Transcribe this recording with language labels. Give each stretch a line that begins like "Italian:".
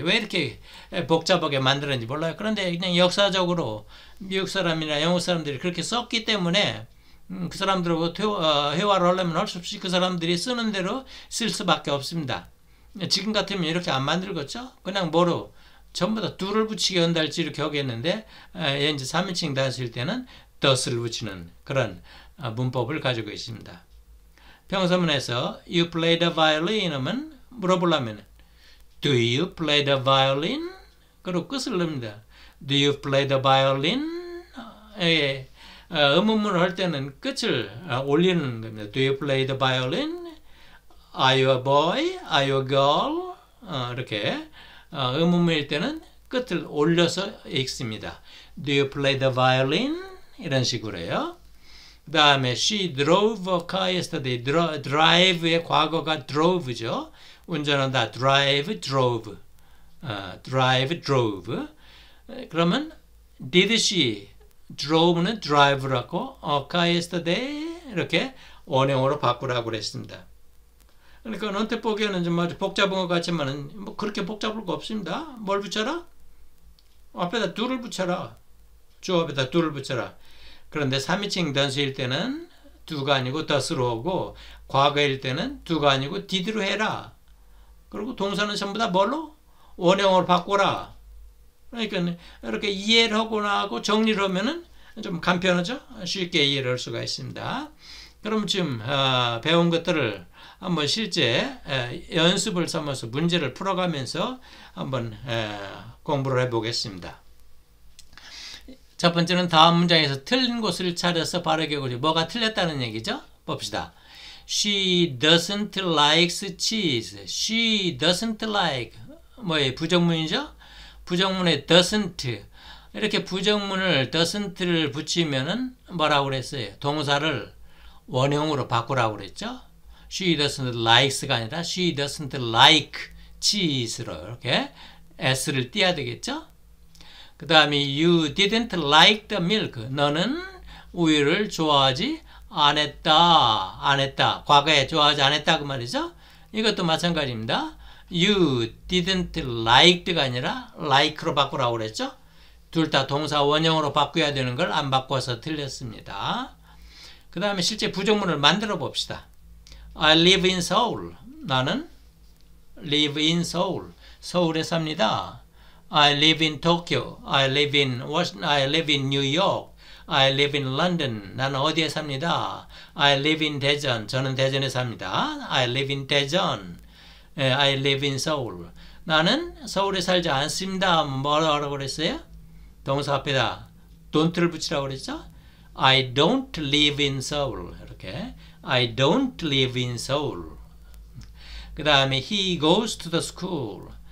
Korean: 왜 이렇게 복잡하게 만드는지 몰라요. 그런데 그냥 역사적으로 미국 사람이나 영국 사람들이 그렇게 썼기 때문에 그 사람들하고 회화를 하려면 할 수 없이 그 사람들이 쓰는 대로 쓸 수밖에 없습니다. 지금 같으면 이렇게 안 만들겠죠? 그냥 뭐로 전부 다 do를 붙이게 한다할지 이렇게 하겠는데 이제 3인칭 단수일 때는 does를 붙이는 그런 문법을 가지고 있습니다. 평소문에서
English: you play the violin
Korean: 하면 물어보려면
English: do you play the violin?
Korean: 그리고 끝을 넣습니다.
English: do you play the violin?
Korean: 예, 의문문을 할 때는 끝을 올리는 겁니다.
English: do you play the violin? are you a boy? are you a girl?
Korean: 이렇게 의문문일 때는 끝을 올려서 읽습니다.
English: do you play the violin?
Korean: 이런 식으로요. 그 다음에
English: she drove a car yesterday.
Korean: drive의 과거가 drove죠.
English: 운전한다. drive, drove. drive, drove.
Korean: 그러면 did she drove는 drive라고 하고 a car yesterday 이렇게 원형으로 바꾸라고 그랬습니다. 그러니까 언뜻 보기에는 좀 아주 복잡한 것 같지만 뭐 그렇게 복잡할 거 없습니다. 뭘 붙여라? 앞에다 do를 붙여라. 주어에다 do를 붙여라. 그런데 3인칭 단수일 때는 do가 아니고 does로 하고 과거일 때는 do가 아니고 did로 해라. 그리고 동사는 전부 다 뭘로? 원형으로 바꿔라. 그러니까 이렇게 이해를 하고 나고 정리를 하면은 좀 간편하죠? 쉽게 이해를 할 수가 있습니다. 그럼 지금 배운 것들을 한번 실제 연습을 삼아서 문제를 풀어가면서 한번 공부를 해보겠습니다. 첫 번째는 다음 문장에서 틀린 곳을 차려서 바르게 그리 뭐가 틀렸다는 얘기죠? 봅시다.
English: She doesn't likes cheese. She doesn't like
Korean: 뭐의 부정문이죠? 부정문에 doesn't 이렇게 부정문을 doesn't를 붙이면은 뭐라고 그랬어요? 동사를 원형으로 바꾸라고 그랬죠? She doesn't likes가 아니라
English: she doesn't like cheese
Korean: 로 이렇게 s를 띄어야 되겠죠?
English: 그 다음에 you didn't like the milk.
Korean: 너는 우유를 좋아하지 않았다. 안했다. 과거에 좋아하지 않았다 그 말이죠. 이것도 마찬가지입니다. you didn't liked가 아니라 like로 바꾸라고 그랬죠. 둘 다 동사 원형으로 바꾸어야 되는 걸 안 바꿔서 틀렸습니다. 그 다음에 실제 부정문을 만들어 봅시다.
English: I live in Seoul.
Korean: 나는 live in Seoul. 서울에 삽니다.
English: I live in Tokyo. I live in Washington. I live in New York. I live in London.
Korean: 나는 어디에 삽니다?
English: I live in 대전.
Korean: 저는 대전에 삽니다.
English: I live in 대전. I live in Seoul.
Korean: 나는 서울에 살지 않습니다. 뭐라고 그랬어요? 동사 앞에다 don't를 붙이라고 그랬죠?
English: I don't live in Seoul. 이렇게 I don't live in Seoul.
Korean: 그 다음에
English: he goes to the school.